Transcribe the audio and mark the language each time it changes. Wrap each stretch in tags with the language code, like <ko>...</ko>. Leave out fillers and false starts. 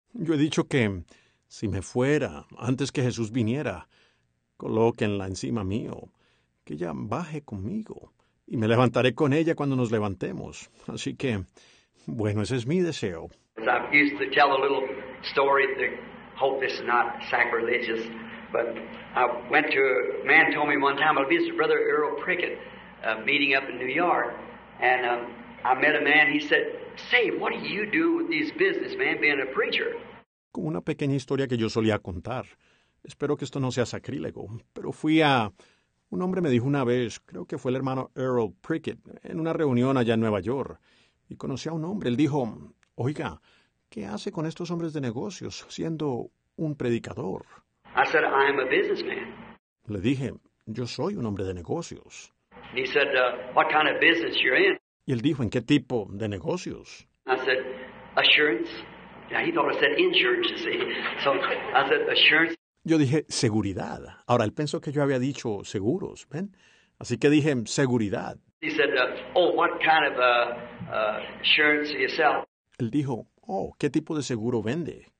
<es>Yo he dicho que si me fuera, antes que Jesús viniera, colóquenla encima mío, que ella baje conmigo, y me levantaré con ella cuando nos levantemos. Así que, bueno, ese es mi deseo.</es> <en>I used to tell a little story, I hope this is not sacrilegious, but I went to, a man told me one time, I visited Brother Earl Prickett, meeting up in New York, and I met a man, he said, say, what do you do with these business, man, being a preacher?</en> <es>Como una pequeña historia que yo solía contar. Espero que esto no sea sacrílego. Pero fui a... Un hombre me dijo una vez, creo que fue el hermano Earl Prickett, en una reunión allá en Nueva York. Y conocí a un hombre. Él dijo, oiga, ¿qué hace con estos hombres de negocios siendo un predicador?</es> <en>I said, I'm a businessman.</en> <es>Le dije, yo soy un hombre de negocios.</es> <en>He said, what kind of business you're in?</en> <es>Y él dijo, ¿en qué tipo de negocios?</es> <en>I said, assurance. Yeah, he thought I said insurance, you see. So I said assurance.</en> <es>Yo dije seguridad. Ahora él pensó que yo había dicho seguros, ¿ven? Así que dije seguridad.</es> <en>He said, what kind of assurance do you sell?</en> <es>Él dijo, oh, ¿qué tipo de seguro vende?</es>